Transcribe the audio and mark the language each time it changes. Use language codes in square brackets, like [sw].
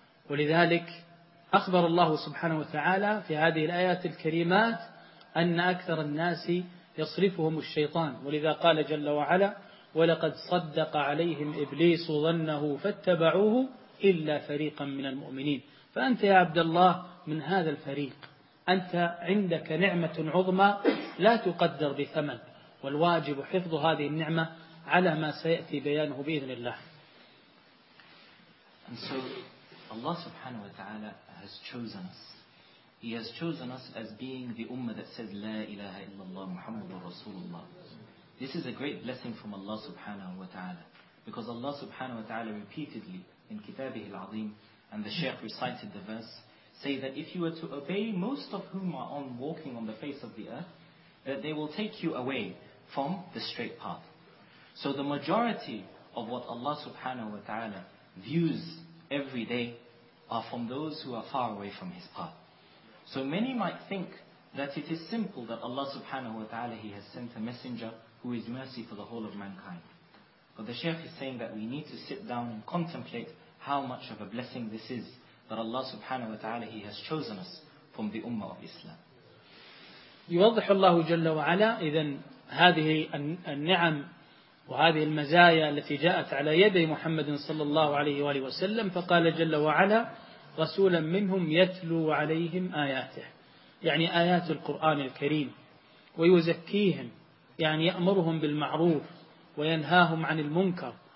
[ar] ولذلك أخبر الله سبحانه وتعالى في هذه الآيات الكريمات أن أكثر الناس يصرفهم الشيطان، ولذا قال جل وعلا: ولقد صدق عليهم إبليس ظنه فاتبعوه إلا فريقا من المؤمنين. فأنت يا عبد الله من هذا الفريق، أنت عندك نعمة عظمى لا تقدر بثمن، والواجب حفظ هذه النعمة على ما سيأتي بيانه بإذن الله. [en] And so Allah subhanahu wa ta'ala has chosen us. He has chosen us as being the ummah that says La ilaha illallah Muhammadur Rasulullah. This is a great blessing from Allah subhanahu wa ta'ala. Because Allah subhanahu wa ta'ala repeatedly in Kitabihi al-Azim, and the Shaykh recited the verse, say that if you were to obey most of whom are on walking on the face of the earth, that they will take you away from the straight path. So the majority of what Allah subhanahu wa ta'ala views every day are from those who are far away from His path. So many might think that it is simple that Allah subhanahu wa ta'ala, He has sent a messenger who is mercy for the whole of mankind. But the Shaykh is saying that we need to sit down and contemplate how much of a blessing this is that Allah subhanahu wa ta'ala, He has chosen us from the ummah of Islam. [ar] يوضح الله جل وعلا إذن هذه النعم وهذه المزايا التي جاءت على يدي محمد صلى الله عليه وآله وسلم، فقال جل وعلا: رسولا منهم يتلو عليهم آياته، يعني آيات القرآن الكريم، ويزكيهم، يعني يأمرهم بالمعروف وينهاهم عن المنكر.